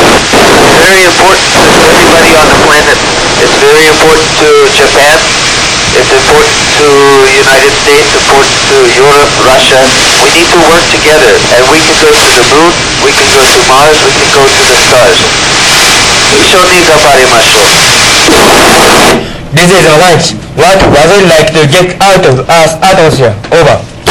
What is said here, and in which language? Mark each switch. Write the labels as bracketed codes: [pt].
[en] Future space development is very important to everybody on the planet. It's very important to Japan. It's important to United States, important to Europe, Russia. We need to work together, and we can go to the moon, we can go to Mars, we can go to the stars. [ja] 一緒に頑張りましょう。 [en] This is a lunch. What was it like to get out of Earth's atmosphere? Over.